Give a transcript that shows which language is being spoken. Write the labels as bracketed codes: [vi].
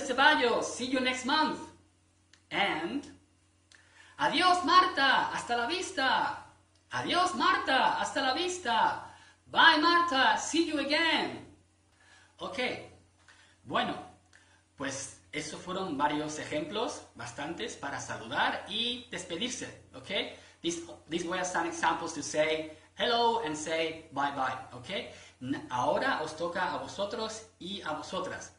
[en] Ceballos, see you next month. And, [es] adiós, Marta, hasta la vista. Adiós, Marta, hasta la vista. [en] Bye, Marta, see you again. [es] Ok, bueno, pues esos fueron varios ejemplos, bastantes, para saludar y despedirse, ok? [en] These were some examples to say hello and say bye bye, ok? [es] Ahora os toca a vosotros y a vosotras.